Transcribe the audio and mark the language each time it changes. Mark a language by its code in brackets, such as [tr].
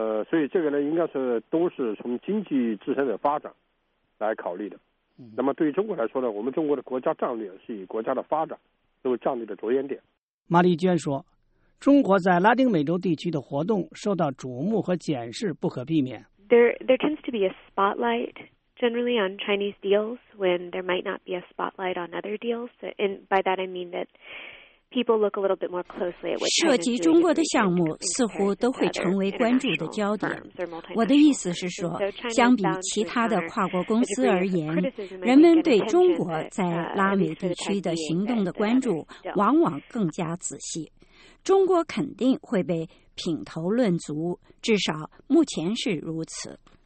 [zh] 所以这个呢，应该是都是从经济自身的发展来考虑的。那么对于中国来说呢，我们中国的国家战略是以国家的发展作为战略的着眼点。马丽娟说，中国在拉丁美洲地区的活动受到瞩目和检视不可避免。 [en] There tends to be a spotlight generally on Chinese deals when there might not be a spotlight on other deals. And by that I mean that people look a little bit more closely at what [zh] 涉及中国的项目似乎都会成为关注的焦点。我的意思是说，相比其他的跨国公司而言，人们对中国在拉美地区的行动的关注往往更加仔细。中国肯定会被品头论足，至少目前是如此。